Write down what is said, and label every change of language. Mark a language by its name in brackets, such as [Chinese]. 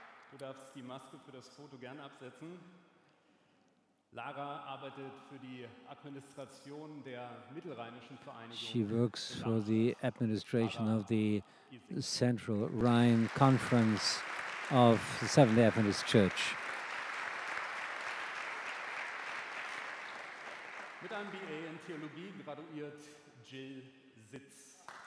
[German] Du darfst die Maske für das Foto gern absetzen. Lara arbeitet für die Administration der Mittelrheinischen Vereinigung. [English] She works for the administration of the Central Rhine Conference of the Seventh-day Adventist Church. [German] Mit einem BA in Theologie graduiert Jill Sitz.